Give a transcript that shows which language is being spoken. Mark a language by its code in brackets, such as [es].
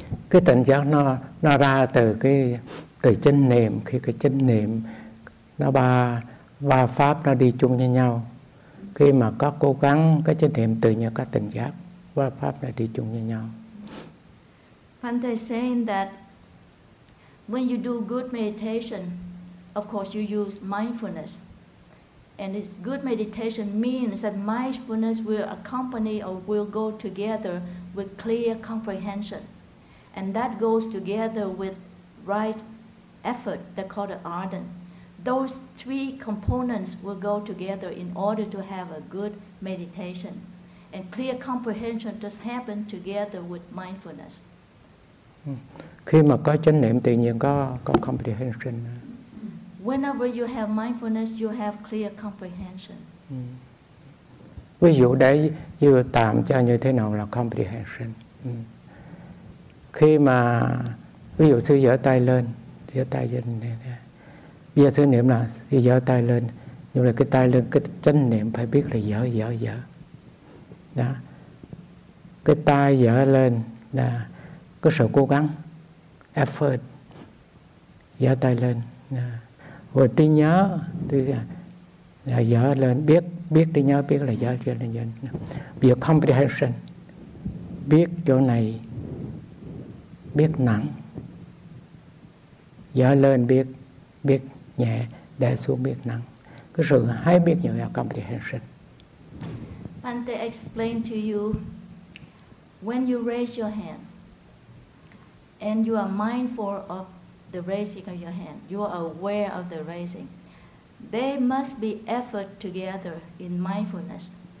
[vi] Cái tỉnh giác nó ra từ cái từ chánh niệm. Khi cái chánh niệm nó ba pháp nó đi chung với nhau, khi mà có cố gắng cái chánh niệm tự nhiên có tỉnh giác, ba pháp nó đi chung với nhau. [en] Bhante saying that when you do good meditation, of course you use mindfulness, and this good meditation means that mindfulness will accompany or will go together with clear comprehension. And that goes together with right effort, they're called the ardent. Those three components will go together in order to have a good meditation. And clear comprehension just happen together with mindfulness. [vi] Khi mà có chánh niệm tự nhiên có comprehension. [en] Whenever you have mindfulness, you have clear comprehension. [vi] Ví dụ đấy, như tạm cho như thế nào là comprehension. Khi mà ví dụ sư giơ tay lên, giơ tay lên, bây giờ sư niệm là sư giơ tay lên, nhưng mà cái tay lên cái chánh niệm phải biết là giơ đó, cái tay giơ lên là có sự cố gắng, effort, giơ tay lên, rồi trí nhớ thì giơ lên biết trí nhớ biết là giơ lên, bây giờ comprehension biết chỗ này biết nặng, dở lên biết nhẹ, để xuống biết nặng. Cái sự hay biết nhiều là comprehension. [en] Bhante explained to you, when you raise your hand, and you are mindful of the raising of your hand, you are aware of the raising, there must be effort together in mindfulness.